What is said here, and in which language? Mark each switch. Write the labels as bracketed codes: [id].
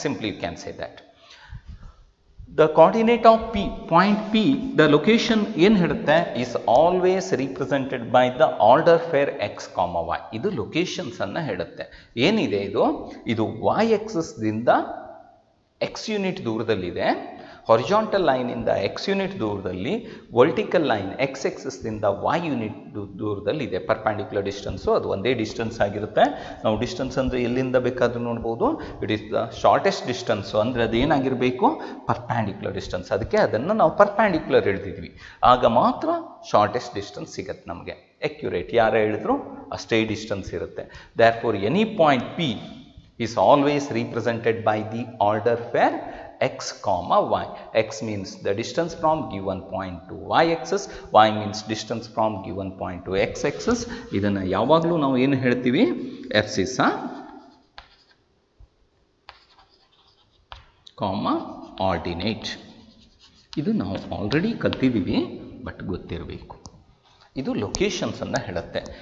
[en] simply you can say that the coordinate of P, point P, the location [kn] ಏನು ಹೇಳುತ್ತೆ, [en] Is always represented by the order pair x comma y. [kn] ಇದು ಲೊಕೇಶನ್ಸನ್ನು ಹೇಳುತ್ತೆ. ಏನಿದೆ ಇದು, ಇದು ವೈ ಎಕ್ಸಸ್ದಿಂದ ಎಕ್ಸ್ ಯೂನಿಟ್ ದೂರದಲ್ಲಿದೆ, [en] horizontal line in the x unit ದೂರದಲ್ಲಿ, vertical line x axis ದಿಂದ y unit ದೂರದಲ್ಲಿ ಇದೆ. [kn] ಪರ್ಪೆಂಡಿಕ್ಯುಲರ್ ಡಿಸ್ಟೆನ್ಸು ಅದು ಒಂದೇ ಡಿಸ್ಟೆನ್ಸ್ ಆಗಿರುತ್ತೆ. ನಾವು ಡಿಸ್ಟೆನ್ಸ್ ಅಂದರೆ ಎಲ್ಲಿಂದ ಬೇಕಾದರೂ ನೋಡ್ಬೋದು, [en] It is the shortest distance. [kn] ಅಂದರೆ ಅದೇನಾಗಿರಬೇಕು? Perpendicular distance. ಅದಕ್ಕೆ ಅದನ್ನು ನಾವು ಪರ್ಪೆಂಡಿಕ್ಯುಲರ್ ಹೇಳ್ತಿದ್ವಿ. ಆಗ ಮಾತ್ರ ಶಾರ್ಟೆಸ್ಟ್ ಡಿಸ್ಟೆನ್ಸ್ ಸಿಗತ್ತೆ ನಮಗೆ, ಎಕ್ಯುರೇಟ್. ಯಾರು ಹೇಳಿದ್ರು ಅಷ್ಟೇ ಡಿಸ್ಟೆನ್ಸ್ ಇರುತ್ತೆ. [en] That for any point P is always represented by the order pair x, y. x means the distance from given point to y-axis, y means distance from given point to x-axis. [kn] ಇದನ್ನು ಯಾವಾಗಲೂ ನಾವು ಏನು ಹೇಳ್ತೀವಿ, F C ಸ ಕಾಮ ordinate. ಇದು ನಾವು already ಕಲ್ತಿದ್ದೀವಿ, ಬಟ್ ಗೊತ್ತಿರಬೇಕು. ಇದು ಲೊಕೇಶನ್ಸನ್ನು ಹೇಳುತ್ತೆ.